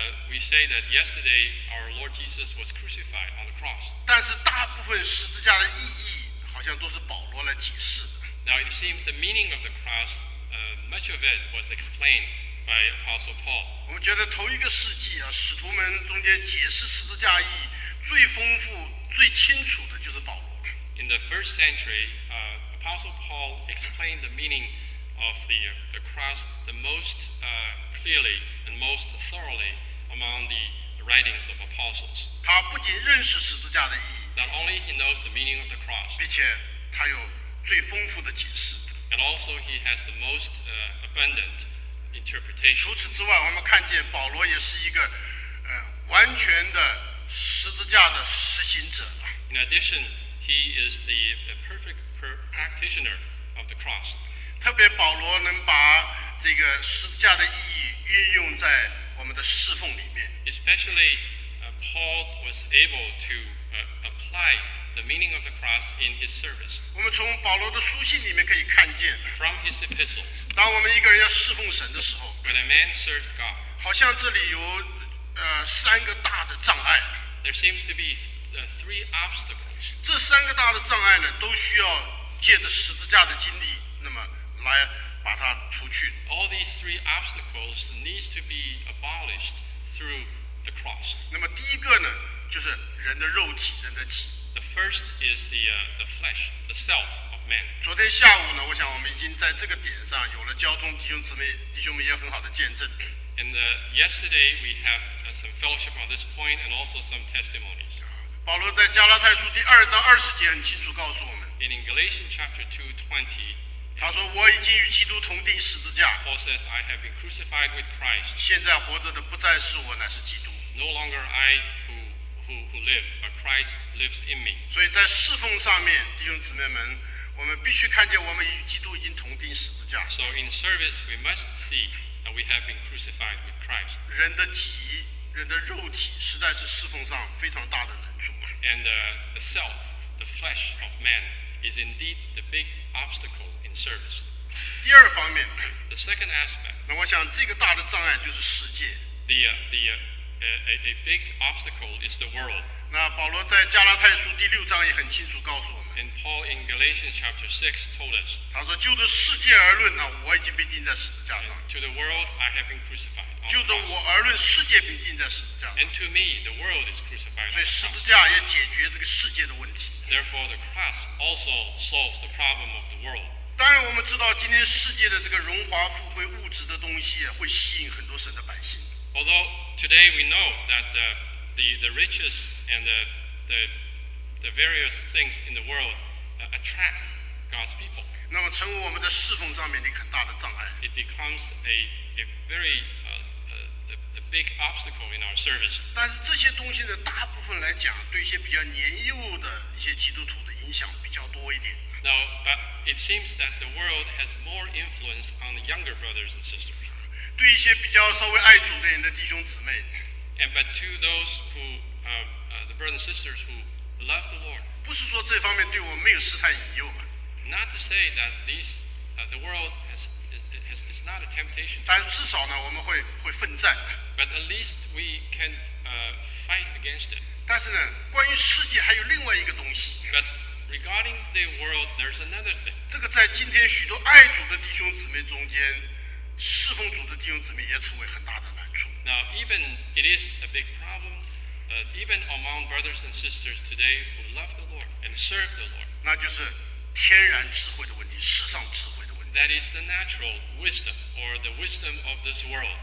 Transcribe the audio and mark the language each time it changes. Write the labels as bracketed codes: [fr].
[en] We say that yesterday our Lord Jesus was crucified on the cross. [zh] 但是大部分十字架的意义好像都是保罗来解释的。 [en] Now it seems the meaning of the cross, much of it was explained by Apostle Paul. [zh] 我们觉得头一个世纪啊，使徒们中间解释十字架意义最丰富、最清楚的就是保罗。 [en] In the first century, Apostle Paul explained the meaning of the cross the most, clearly and most thoroughly among the writings of apostles. [zh] 他不仅认识十字架的意义， [en] not only he knows the meaning of the cross, [zh] 并且他有最丰富的解释， [en] and also he has the most, abundant interpretation. [zh] 除此之外，我们看见保罗也是一个，完全的十字架的实行者。 [en] In addition, he is the perfect practitioner of the cross. [zh] 特别保罗能把这个十字架的意义运用在我们的侍奉里面。 [en] Especially, Paul was able to, apply the meaning of the cross in his service. [zh] 我们从保罗的书信里面可以看见， [en] from his epistles, [zh] 当我们一个人要侍奉神的时候， [en] when a man serves God, [zh] 好像这里有，三个大的障碍。 [en] There seems to be, three obstacles. [zh] 这三个大的障碍呢，都需要借着十字架的经历，那么来把它除去。 [en] All these three obstacles needs to be abolished through the cross. [zh] 那么第一个呢，就是人的肉体，人的己。 [en] The first is the flesh, the self of man. [zh] 昨天下午呢，我想我们已经在这个点上有了交通，弟兄们也很好的见证。 [en] And yesterday we have some fellowship on this point and also some testimonies. [zh] 保罗在加拉太书第二章二十节很清楚告诉我们。 [en] In Galatians chapter 2:20, [zh] 他说我已经与基督同钉十字架。 [en] Paul says I have been crucified with Christ. [zh] 现在活着的不再是我，乃是基督。 [en] No longer I who live, but Christ lives in me. [zh] 所以在侍奉上面，弟兄姊妹们，我们必须看见我们与基督已经同钉十字架。 [en] So in service we must see that we have been crucified with Christ. [zh] 人的己，人的肉体，实在是侍奉上非常大的难处。 [en] And the self, the flesh of man, is indeed the big obstacle in service. [zh] 第二方面, [en] the second aspect. [zh] 那我想这个大的障碍就是世界。 [en] The big obstacle is the world. [zh] 那保罗在加拉太书第六章也很清楚告诉我们。 [en] And Paul in Galatians chapter 6 told us. [zh] 他说就着世界而论呢，我已经被钉在十字架上。 [en] To the world, I have been crucified. [zh] 就着我而论，世界被钉在十字架上。 [en] And to me, the world is crucified. [zh] 所以十字架也解决这个世界的问题。 [en] Therefore, the cross also solves the problem of the world. [zh] 当然我们知道今天世界的这个荣华富贵物质的东西会吸引很多神的百姓。 [en] Although today we know that the riches and the various things in the world attract God's people. [zh] 那么成为我们的侍奉上面的很大的障碍。 [en] It becomes a big obstacle in our service. [zh] 但是这些东西呢大部分来讲对一些比较年幼的一些基督徒的影响比较多一点。 [en] Now, but it seems that the world has more influence on the younger brothers and sisters. [zh] 对一些比较稍微爱主的人的弟兄姊妹。 [en] And but to those who the brothers and sisters who love the Lord. [zh] 不是说这方面对我没有试探引诱。 [en] Not to say that these the world has is not a temptation. [zh] 但至少呢，我们会奋战。 [en] But at least we can fight against it. [zh] 但是呢，关于世界还有另外一个东西。 [en] But,Regarding the world, there's another thing. [zh] 这个在今天许多爱主的弟兄姊妹中间，侍奉主的弟兄姊妹也成为很大的难处。 [en] Now, even it is a big problem, even among brothers and sisters today who love the Lord and serve the Lord. [zh] 那就是天然智慧的问题，世上智慧的问题。 [en] That is the natural wisdom or the wisdom of this world.